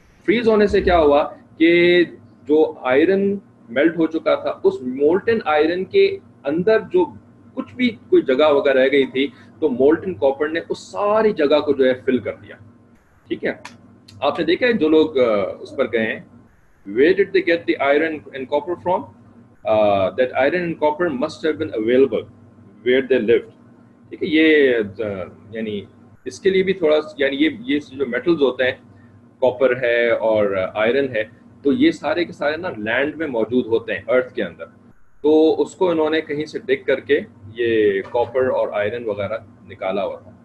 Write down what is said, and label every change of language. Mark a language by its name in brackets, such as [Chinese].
[Urdu] Freeze ہونے سے کیا ہوا کہ جو آئرن میلٹ ہو چکا تھا اس مولٹن آئرن کے اندر جو کچھ بھی کوئی جگہ وغیرہ رہ گئی تھی تو مولٹن کاپر نے اس ساری جگہ کو جو ہے فل کر دیا. ٹھیک ہے, آپ نے دیکھا ہے جو لوگ اس پر گئے ہیں, [English] where did they get the iron and copper from? That iron and copper must have been available where they lived. [Urdu] ٹھیک ہے, یہ یعنی اس کے لیے بھی تھوڑا, یعنی یہ جو میٹلز ہوتے ہیں, کاپر ہے اور آئرن ہے, تو یہ سارے کے سارے نا لینڈ میں موجود ہوتے ہیں ارتھ کے اندر. تو اس کو انہوں نے کہیں سے ڈگ کر کے یہ کاپر اور آئرن وغیرہ نکالا ہوا تھا.